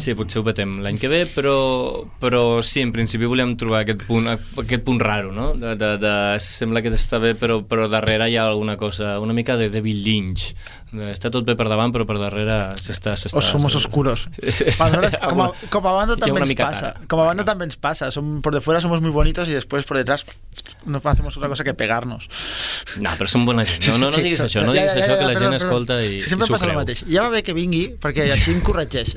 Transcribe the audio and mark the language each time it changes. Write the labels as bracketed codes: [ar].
[ca] Sí, potser ho petem l'any que ve, però sí, en principi volíem trobar aquest punt raro, no? De sembla que està bé, però darrere hi ha alguna cosa, una mica de David Lynch. Està tot bé per davant, però per darrere s'està... O Somos Oscuros. Com a banda també ens passa. Com a banda també ens passa. [es] Por de fuera somos muy bonitos y después por detrás no hacemos otra cosa que pegarnos. [ca] No, però som bona gent. No diguis això, que la gent escolta i s'ho creu. Sempre passa el mateix. Ja va bé que vingui, perquè així em corregeix.